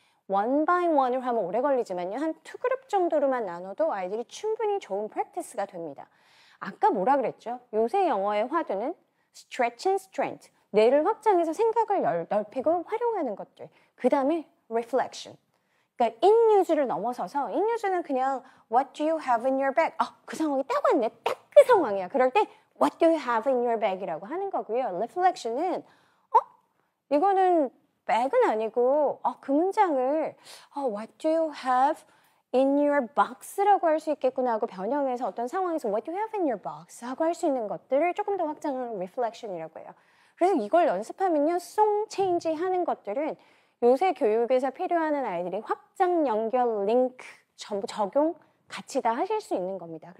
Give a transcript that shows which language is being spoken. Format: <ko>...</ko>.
<ko>원 바이 원으로 하면 오래 걸리지만요. 한 두 그룹 정도로만 나눠도 아이들이 충분히 좋은 프랙티스가 됩니다. 아까 뭐라 그랬죠? 요새 영어의 화두는 stretch and strength. 뇌를 확장해서 생각을 넓히고 활용하는 것들. 그 다음에 reflection. 그러니까</ko> <en>in use를 넘어서서 in use는</en> <ko>그냥</ko> <en>what do you have in your bag?</en> <ko>아, 그 상황이 딱 왔네. 딱 그 상황이야. 그럴 때</ko> <en>what do you have in your bag</en> <ko>이라고 하는 거고요. reflection은 어? 이거는 bag은 아니고 어, 그 문장을 어,</ko> <en>what do you have in your box</en> <ko>라고 할 수 있겠구나 하고 변형해서 어떤 상황에서 what do you have in your box? 하고 할 수 있는 것들을 조금 더 확장하는 reflection이라고 해요. 그래서 이걸 연습하면요, 송 체인지 하는 것들은 요새 교육에서 필요하는 아이들이 확장, 연결, 링크 전부 적용 같이 다 하실 수 있는 겁니다.</ko>